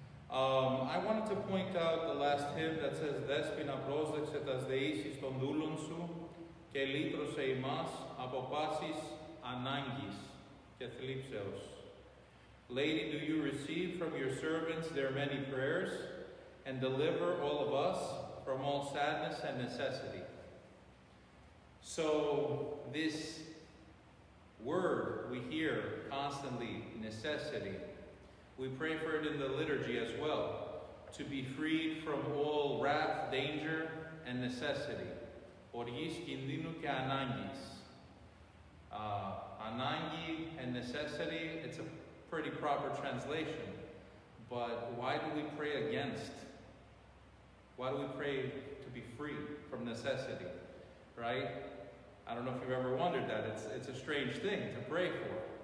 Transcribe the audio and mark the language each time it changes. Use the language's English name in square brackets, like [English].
[English] I wanted to point out the last hymn that says, [Greek] Δέσποινα πρόσδεξε τας δεήσεις των δούλων σου και λύτρωσε ημάς από πάσης ανάγκης και θλίψεως. [English] Lady, do you receive from your servants their many prayers and deliver all of us from all sadness and necessity? So this word we hear constantly, necessity, we pray for it in the liturgy as well, to be freed from all wrath, danger, and necessity. [Greek] Οργής κινδύνου και ανάγκης. [English] Ανάγκη and necessity, it's a pretty proper translation, but why do we pray against? Why do we pray to be free from necessity, right? I don't know if you've ever wondered that. It's a strange thing to pray for.